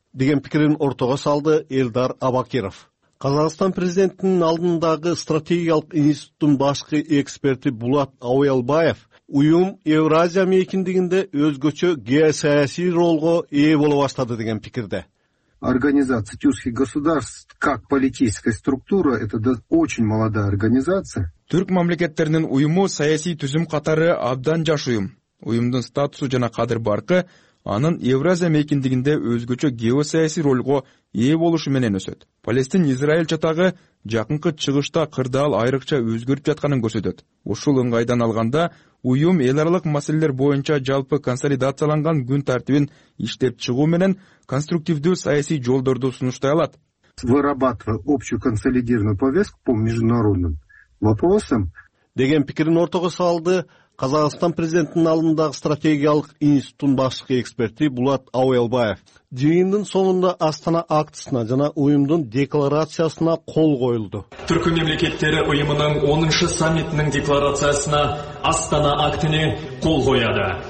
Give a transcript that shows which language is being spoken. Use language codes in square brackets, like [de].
[ky] деген пикирин ортого салды Элдар Абакиров. Казакстан президентинин алдындагы стратегиялык институттун башкы эксперти Булат Ауялбаев уюм Евразия мейкиндигинде өзгөчө геосаясий ролго ээ боло баштады деген пикирде. [ru] Организация тюркских государств как политическая структура это очень молодая организация. [ky] Түрк мамлекеттеринин уюму саясий түзүм катары абдан жаш уюм. Уюмдун статусу жана кадыр баркы анын Евразия мейкиндигинде өзгөчө геосаясий ролго ээ болушу менен өсөт. Палестин-Израиль чатагы жакынкы чыгышта кырдаал айрыкча өзгөрүп жатканын көрсөтөт. Ушул ыңгайдан алганда уюм эл аралык маселелер боюнча жалпы консолидацияланган күн тартибин иштеп чыгуу менен конструктивдүү саясий жолдорду сунуштай алат. [ru] Вырабатывая общую консолидированную повестку по международным вопросам [ky] деген пикирин ортого салды Казакстан президентинин алдындагы стратегиялык институттун башкы эксперти Булат Ауялбаев. Жыйындын соңунда Астана актысына жана уюмдун декларациясына кол коюлду. Түркү мамлекеттери уюмунун 10-шы саммитинин декларациясына Астана актине кол коюлду.